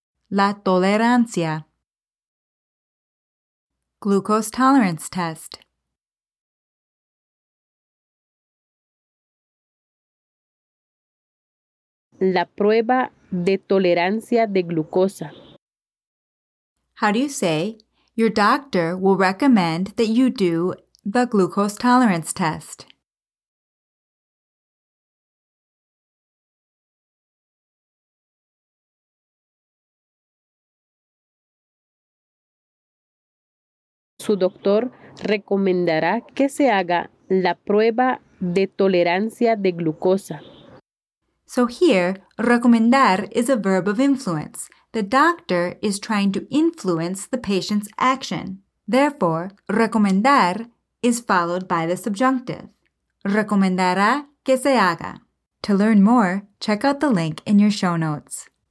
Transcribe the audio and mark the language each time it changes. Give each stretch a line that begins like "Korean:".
Spanish: La tolerancia.
English: Glucose tolerance test.
Spanish: La prueba de tolerancia de glucosa.
English: How do you say, your doctor will recommend that you do the glucose tolerance test?
Spanish: Su doctor recomendará que se haga la prueba de tolerancia de glucosa.
English: So here, recomendar is a verb of influence. The doctor is trying to influence the patient's action. Therefore, recomendar is followed by the subjunctive.
Spanish: Recomendará que se haga.
English: To learn more, check out the link in your show notes.